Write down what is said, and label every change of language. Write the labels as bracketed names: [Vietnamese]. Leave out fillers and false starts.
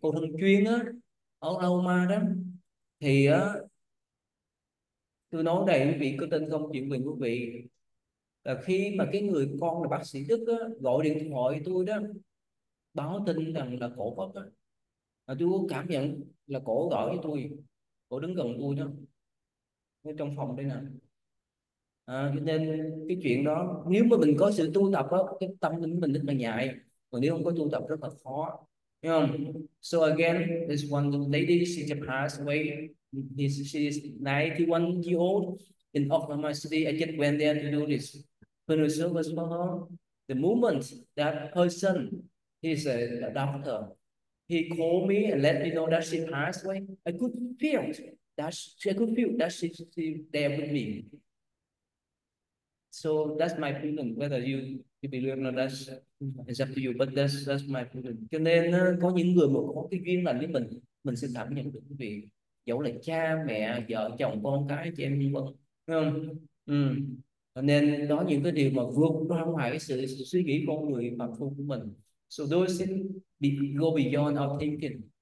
[Vietnamese] Cô Thân Chuyên á, ở Aoma đó, thì á, tôi nói đầy quý vị có tin không, chuyện mình quý vị là khi mà cái người con là bác sĩ Đức á, gọi điện thoại tôi đó, báo tin rằng là cổ mất á, tôi có cảm nhận là cổ gọi với tôi, cổ đứng gần tôi đó, ở trong phòng đây nè. Nên cái chuyện đó nếu mà mình có sự tu tập á, cái tâm linh mình rất là nhạy, còn nếu không có tu tập rất là khó, hiểu không? [English] So again, this one lady, she passed away. She is 91 years old in Oklahoma City. I just went there to do this funeral service for her. The moment that person, he's a doctor, he called me and let me know that she passed away. I could feel that she's there with me. So that's my feeling. Whether you believe or not, that's up to you. But that's my feeling. [Vietnamese] Cho nên có những người mà có cái duyên lành với mình sẽ cảm nhận được cái việc, dẫu là cha mẹ vợ chồng con cái chị em vân vân, không? Nên đó những cái điều mà vượt ra ngoài cái sự suy nghĩ con người phàm phu của mình. [English] So those things go beyond our thinking.